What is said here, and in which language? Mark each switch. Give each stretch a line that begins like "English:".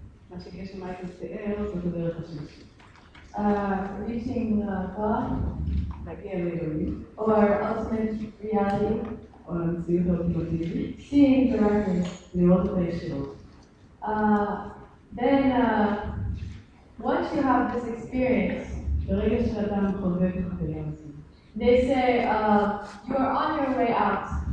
English: What Geshe Michael was saying was the third path. Reaching God. Like the Elohim. Or ultimate reality. Or the ultimate reality. Seeing directly. The ultimate shield. Then once you have this experience.
Hebrew: ברגע שאדם חווה את החוויה הזאת.
English: They say, you are on your way out.